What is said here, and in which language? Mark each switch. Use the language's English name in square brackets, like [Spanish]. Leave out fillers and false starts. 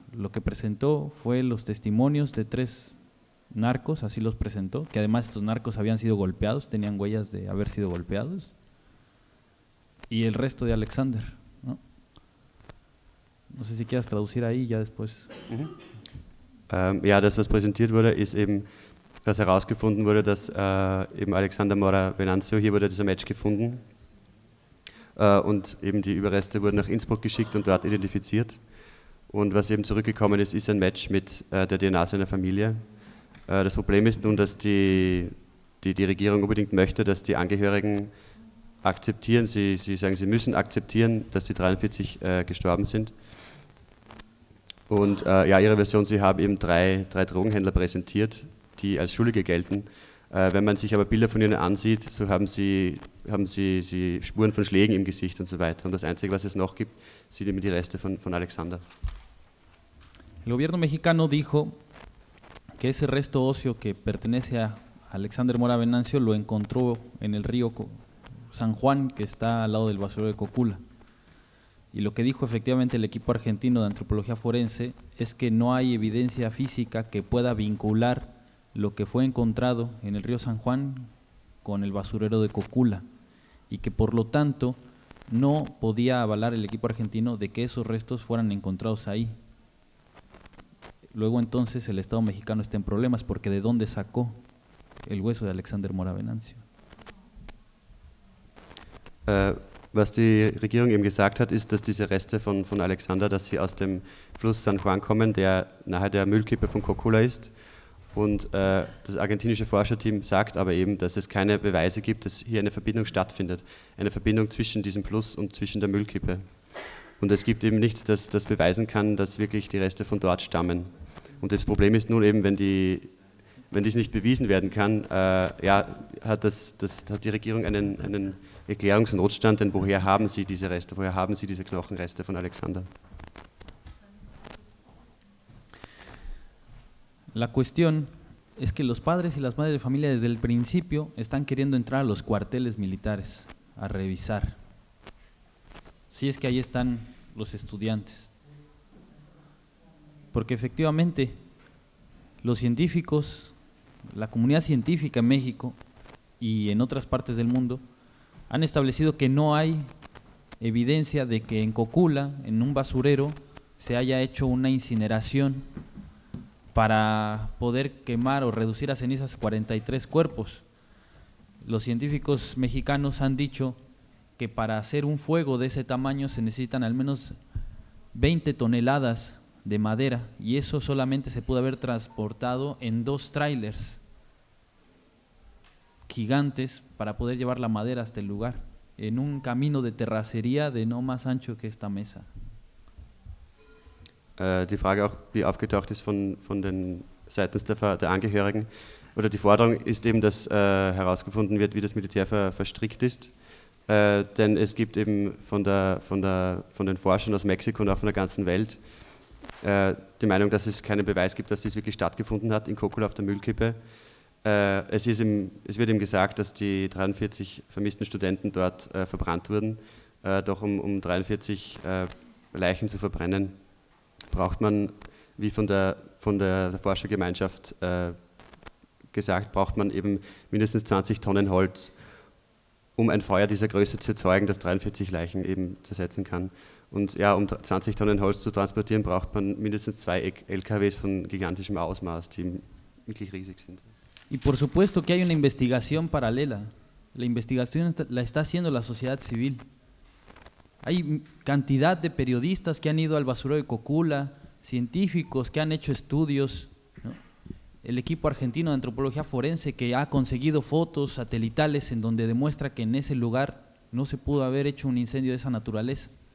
[Spanish] Lo que presentó fue los testimonios de tres narcos, así los presentó, que además estos narcos habían sido golpeados, tenían huellas de haber sido golpeados, y el resto de Alexander. No sé si quieres traducir ahí, ya después. [German] Ja, das, was präsentiert wurde, ist eben, was herausgefunden wurde, dass eben Alexander Mora Venancio, hier wurde dieser Match gefunden, und eben die Überreste wurden nach Innsbruck geschickt und dort identifiziert. Und was eben zurückgekommen ist, ist ein Match mit der DNA seiner Familie. Das Problem ist nun, dass die Regierung unbedingt möchte, dass die Angehörigen akzeptieren, sie sagen, sie müssen akzeptieren, dass die 43 gestorben sind. Und ja, ihre Version, sie haben eben drei Drogenhändler präsentiert, die als Schuldige gelten. Wenn man sich aber Bilder von ihnen ansieht, so haben sie Spuren von Schlägen im Gesicht und so weiter. Und das Einzige, was es noch gibt, sind eben die Reste von Alexander. [Spanish] El gobierno mexicano dijo que ese resto óseo que pertenece a Alexander Mora Venancio lo encontró en el río San Juan, que está al lado del basurero de Cocula. Y lo que dijo efectivamente el equipo argentino de antropología forense es que no hay evidencia física que pueda vincular lo que fue encontrado en el río San Juan con el basurero de Cocula, y que por lo tanto no podía avalar el equipo argentino de que esos restos fueran encontrados ahí. Luego entonces el Estado mexicano está en problemas, porque ¿de dónde sacó el hueso de Alexander Mora Venancio? [German] Was die Regierung eben gesagt hat, ist, dass diese Reste von Alexander, dass sie aus dem Fluss San Juan kommen, der nahe der Müllkippe von Cocula ist. Und das argentinische Forscherteam sagt aber eben, dass es keine Beweise gibt, dass hier eine Verbindung stattfindet, eine Verbindung zwischen diesem Fluss und zwischen der Müllkippe. Und es gibt eben nichts, das beweisen kann, dass wirklich die Reste von dort stammen. Und das Problem ist nun eben, wenn dies nicht bewiesen werden kann, hat die Regierung einen Erklärungsnotstand, denn woher haben Sie diese Reste, woher haben Sie diese Knochenreste von Alexander? [Spanish] La cuestión es que los padres y las madres de familia desde el principio están queriendo entrar a los cuarteles militares a revisar. Si es que ahí están los estudiantes. Porque efectivamente los científicos, la comunidad científica en México y en otras partes del mundo han establecido que no hay evidencia de que en Cocula, en un basurero, se haya hecho una incineración para poder quemar o reducir a cenizas 43 cuerpos. Los científicos mexicanos han dicho que para hacer un fuego de ese tamaño se necesitan al menos 20 toneladas de madera, y eso solamente se pudo haber transportado en 2 trailers gigantes para poder llevar la madera hasta el lugar, en un camino de terracería de no más ancho que esta mesa. [German] Die Frage auch, wie aufgetaucht ist von den seitens der Angehörigen, oder die Forderung ist eben, dass herausgefunden wird, wie das Militär verstrickt ist. Denn es gibt eben von den Forschern aus Mexiko und auch von der ganzen Welt die Meinung, dass es keinen Beweis gibt, dass dies wirklich stattgefunden hat in Cocula auf der Müllkippe. Es wird ihm gesagt, dass die 43 vermissten Studenten dort verbrannt wurden. Doch um 43 Leichen zu verbrennen, braucht man, wie von der Forschergemeinschaft gesagt, braucht man eben mindestens 20 Tonnen Holz, um ein Feuer dieser Größe zu erzeugen, das 43 Leichen eben zersetzen kann. Und ja, um 20 Tonnen Holz zu transportieren, braucht man mindestens 2 LKWs von gigantischem Ausmaß, die wirklich riesig sind. [Spanish] Y por supuesto que hay una investigación paralela. La investigación la está haciendo la sociedad civil. Hay cantidad de periodistas que han ido al basurero de Cocula, científicos que han hecho estudios, ¿no? El equipo argentino de antropología forense que ha conseguido fotos satelitales en donde demuestra que en ese lugar no se pudo haber hecho un incendio de esa naturaleza.